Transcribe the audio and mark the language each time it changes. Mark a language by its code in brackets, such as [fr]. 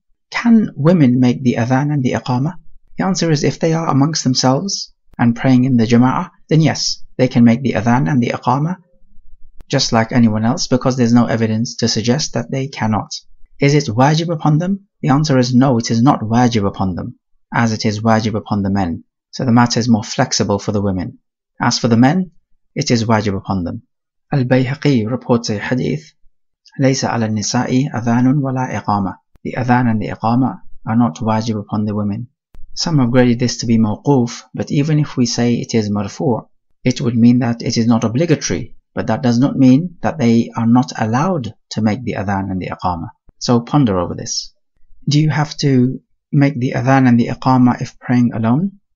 [en] Can women make the adhan and the iqamah? The answer is if they are amongst themselves and praying in the jama'ah, then yes, they can make the adhan and the iqamah just like anyone else, because there's no evidence to suggest that they cannot. Is it wajib upon them? The answer is no, it is not wajib upon them, as it is wajib upon the men. So the matter is more flexible for the women. As for the men, it is wajib upon them. Al-Bayhaqi reports a hadith, [ar] لَيْسَ عَلَى النِّسَاءِ أَذَانٌ وَلَا إِقَامَةٌ. [en] The adhan and the iqamah are not wajib upon the women. Some have graded this to be mawquf, but even if we say it is marfu', it would mean that it is not obligatory, but that does not mean that they are not allowed to make the adhan and the iqamah. So ponder over this. Do you have to make the adhan and the iqamah if praying alone?